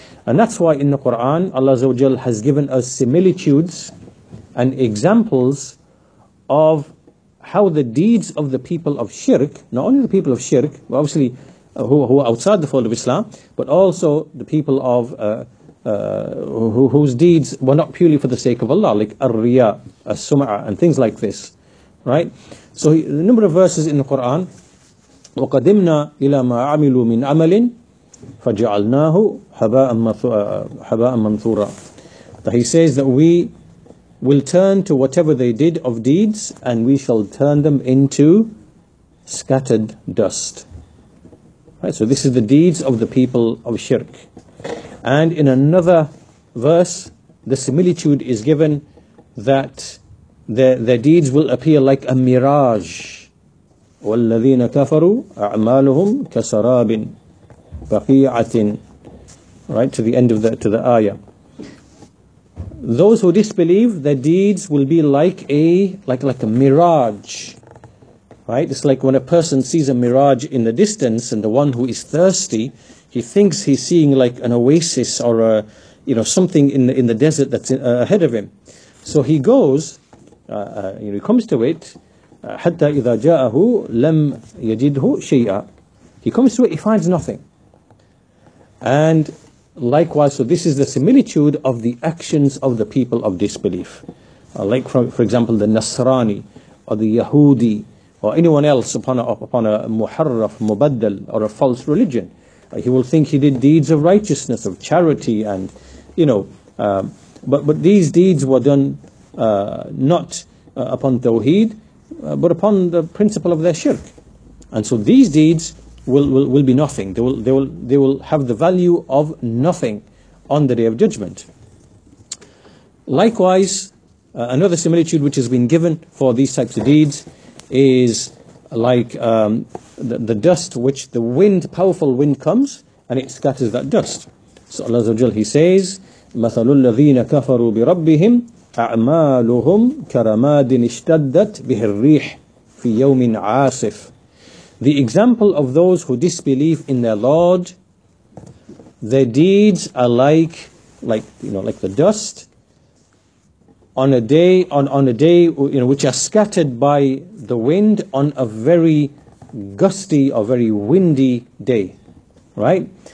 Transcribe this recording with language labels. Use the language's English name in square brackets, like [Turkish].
[English] And that's why in the Quran, Allah Azza wa Jal has given us similitudes and examples of how the deeds of the people of shirk, not only the people of shirk, obviously who are outside the fold of Islam, but also the people of whose deeds were not purely for the sake of Allah, like ar-riya, as-sum'a, and things like this, right? So the number of verses in the Quran, [Arabic] وَقَدِمْنَا إِلَى مَا عَمِلُوا مِنْ عَمَلٍ فَجَعَلْنَاهُ حَبَاءً مَنْثُورًا. [English] That he says that we will turn to whatever they did of deeds, and we shall turn them into scattered dust. Right, so this is the deeds of the people of shirk. And in another verse, the similitude is given that their deeds will appear like a mirage. [Arabic] وَالَّذِينَ كَفَرُوا أَعْمَالُهُمْ كَسَرَابٍ. [English] baqi'atin, right to the end of the to the ayah. Those who disbelieve, their deeds will be like a like a mirage, right? It's like when a person sees a mirage in the distance, and the one who is thirsty, he thinks he's seeing like an oasis or a, you know, something in the desert that's in, ahead of him. So he goes, you know, he comes to it. [Arabic] حتى إذا جاءه لم يجده شيئا. [English] He comes to it, he finds nothing. And likewise, so this is the similitude of the actions of the people of disbelief. Like for example, the Nasrani or the Yahudi or anyone else upon a muharraf, mubaddal, or a false religion. He will think he did deeds of righteousness, of charity, and you know, but these deeds were done not upon Tawheed, but upon the principle of their shirk. And so these deeds will be nothing. They will have the value of nothing on the Day of Judgment. Likewise, another similitude which has been given for these types of deeds is like the dust which the wind, powerful wind comes and it scatters that dust. So Allah Azza wa Jalla, he says, [Arabic] مَثَلُ الَّذِينَ كَفَرُوا بِرَبِّهِمْ أَعْمَالُهُمْ كَرَمَادٍ اشْتَدَّتْ بِهِ الرِّيحِ فِي يَوْمٍ عَاصِفٍ. [English] The example of those who disbelieve in their Lord, their deeds are like the dust on a day you know, which are scattered by the wind on a very gusty or very windy day, right?